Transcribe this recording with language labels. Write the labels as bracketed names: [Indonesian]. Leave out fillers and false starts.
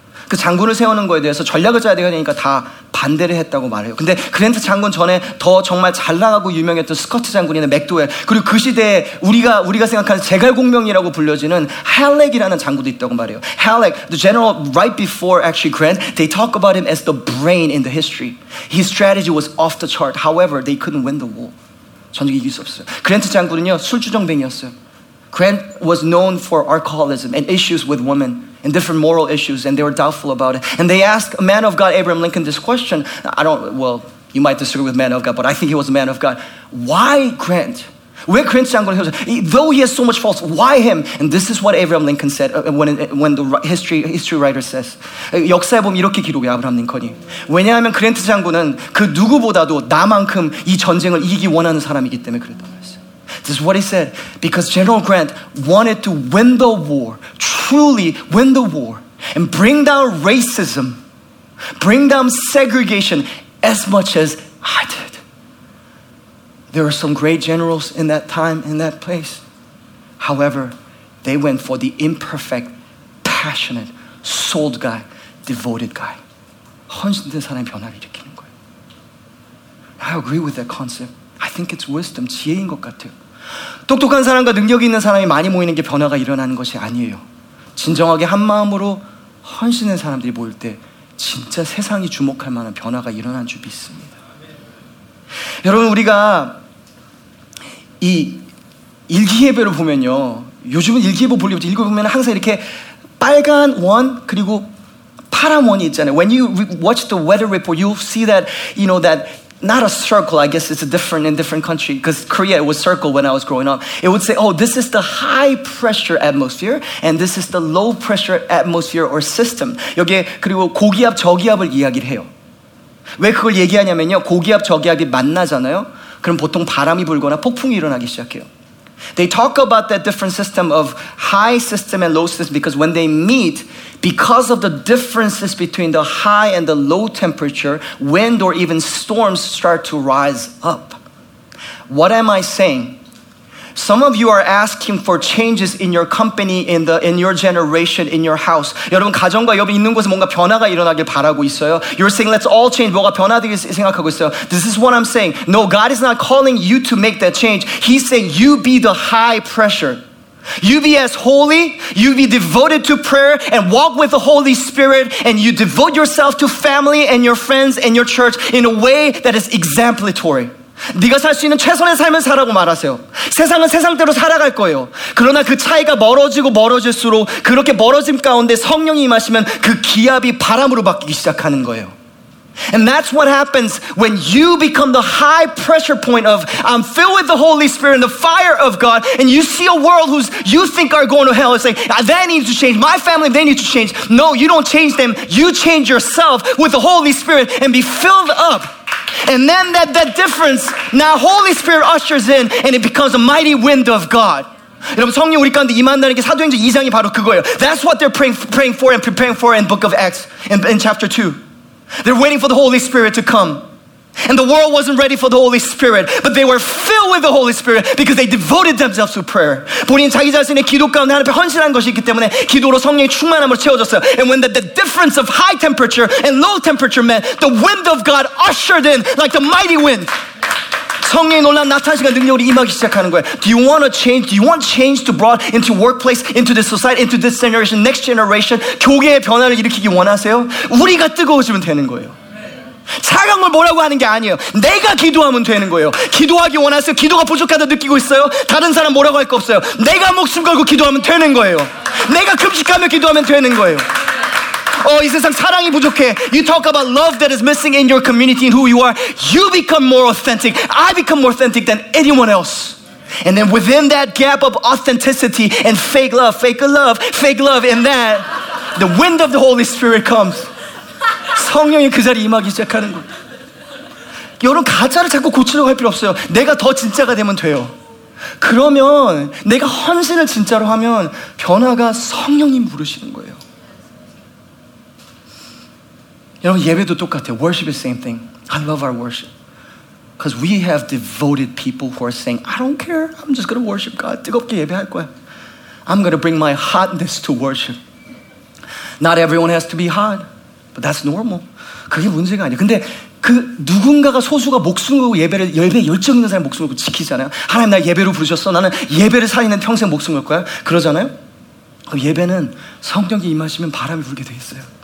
[Korean] 그 장군을 세우는 거에 대해서 전략을 짜야 되니까 다 반대를 했다고 말해요. 근데 그랜트 장군 전에 더 정말 잘 나가고 유명했던 스커트 장군이나 맥도웰 그리고 그 시대에 우리가 생각하는 제갈공명이라고 불려지는 할렉이라는 장군도 있다고 말해요. [English] Halleck, the general right before actually Grant, they talk about him as the brain in the history. His strategy was off the chart. However, they couldn't win the war. [Korean] 전쟁이 이길 수 없어요. 그랜트 장군은요 술주정뱅이었어요. [English] Grant was known for alcoholism and issues with women and different moral issues and they were doubtful about it. And they asked a man of God, Abraham Lincoln, this question. You might disagree with man of God, but I think he was a man of God. Why Grant? Where Grant [Korean] 장군을 세웠어요? [English] Though he has so much faults, why him? And this is what Abraham Lincoln said when the history writer says. [Korean] 역사에 보면 이렇게 기록해요, 아브라함 링컨이. 왜냐하면 그랜트 장군은 그 누구보다도 나만큼 이 전쟁을 이기기 원하는 사람이기 때문에 그랬다고 했어요. [English] This is what he said. Because General Grant wanted to win the war, truly win the war and bring down racism, bring down segregation as much as I did. There were some great generals in that time, in that place. However, they went for the imperfect, passionate, sold guy, devoted guy. [Korean] 헌신된 사람이 변화를 일으키는 거예요. [English] I agree with that concept. I think it's wisdom, [Korean] 지혜인 것 같아요. 똑똑한 사람과 능력이 있는 사람이 많이 모이는 게 변화가 일어나는 것이 아니에요. 진정하게 한 마음으로 헌신된 사람들이 모일 때 진짜 세상이 주목할 만한 변화가 일어난 줄 믿습니다. 여러분, 우리가 이 일기예보를 보면요, 요즘은 일기예보 볼 때 읽어보면 항상 이렇게 빨간 원 그리고 파란 원이 있잖아요. [English] When you watch the weather report, you'll see that, you know, that not a circle, I guess it's a different in different country, because Korea, it was circle when I was growing up. It would say, oh, this is the high pressure atmosphere, and this is the low pressure atmosphere or system. [Korean] 여기에 그리고 고기압, 저기압을 이야기를 해요. 왜 그걸 얘기하냐면요, 고기압, 저기압이 만나잖아요. 그럼 보통 바람이 불거나 폭풍이 일어나기 시작해요. [English] They talk about that different system of high system and low system because when they meet, because of the differences between the high and the low temperature, wind or even storms start to rise up. What am I saying? Some of you are asking for changes in your company, in your generation, in your house. [Korean] 여러분, 가정과 여러분 있는 곳에 뭔가 변화가 일어나길 바라고 있어요. [English] You're saying, let's all change. [Korean] 뭐가 변화되길 생각하고 있어요. [English] This is what I'm saying. No, God is not calling you to make that change. He's saying, you be the high pressure. You be as holy, you be devoted to prayer, and walk with the Holy Spirit, and you devote yourself to family and your friends and your church in a way that is exemplary. [Korean] 네가 살 수 있는 최선의 삶을 살라고 말하세요. 세상은 세상대로 살아갈 거예요. 그러나 그 차이가 멀어지고 멀어질수록 그렇게 멀어짐 가운데 성령이 임하시면 그 기압이 바람으로 바뀌기 시작하는 거예요. [English] And that's what happens when you become the high pressure point of I'm filled with the Holy Spirit and the fire of God and you see a world who you think are going to hell and say, that needs to change. My family, they need to change. No, you don't change them. You change yourself with the Holy Spirit and be filled up. And then that difference, now Holy Spirit ushers in and it becomes a mighty wind of God. [Korean] 여러분, 성령 우리 가운데 임한다는 게 사도행전 2장이 바로 그거예요. [English] That's what they're praying for and preparing for in book of Acts, in chapter 2. They're waiting for the Holy Spirit to come. And the world wasn't ready for the Holy Spirit, but they were filled with the Holy Spirit because they devoted themselves to prayer. [Korean] 본인 자기 자신의 기도 가운데 하나님께 헌신한 것이 있기 때문에 기도로 성령의 충만함으로 채워졌어요. [English] And when the difference of high temperature and low temperature met, the wind of God ushered in like the mighty wind. [Korean] 성령의 놀라운 나타나시는 능력이 임하기 시작하는 거예요. [English] Do you want to change? Do you want change to brought into workplace, into this society, into this generation, next generation? [Korean] 교회의 변화를 일으키기 원하세요? 우리가 뜨거워지면 되는 거예요. 차가운 걸 뭐라고 하는 게 아니에요. 내가 기도하면 되는 거예요. 기도하기 원하세요? 기도가 부족하다 느끼고 있어요? 다른 사람 뭐라고 할 거 없어요. 내가 목숨 걸고 기도하면 되는 거예요. 내가 금식하며 기도하면 되는 거예요. 어, 이 세상 사랑이 부족해. [English] You talk about love that is missing in your community and who you are. You become more authentic. I become more authentic than anyone else. And then within that gap of authenticity and fake love, in that, the wind of the Holy Spirit comes. [Korean] 성령이 그 자리에 임하기 시작하는 거예요. 여러분, 가짜를 자꾸 고치려고 할 필요 없어요. 내가 더 진짜가 되면 돼요. 그러면 내가 헌신을 진짜로 하면 변화가 성령님 부르시는 거예요. 여러분, 예배도 똑같아요. [English] Worship is the same thing. I love our worship. Because we have devoted people who are saying, I don't care. I'm just going to worship God. [Korean] 뜨겁게 예배할 거야. [English] I'm going to bring my hotness to worship. Not everyone has to be hot. But that's normal. [Korean] 그게 문제가 아니야. 근데 그 누군가가 소수가 목숨 걸고 예배를 예배 열정 있는 사람 목숨 걸고 지키잖아요. 하나님 나 예배로 부르셨어. 나는 예배를 살리는 평생 목숨 걸 거야. 그러잖아요. 그럼 예배는 성령이 임하시면 바람이 불게 돼 있어요.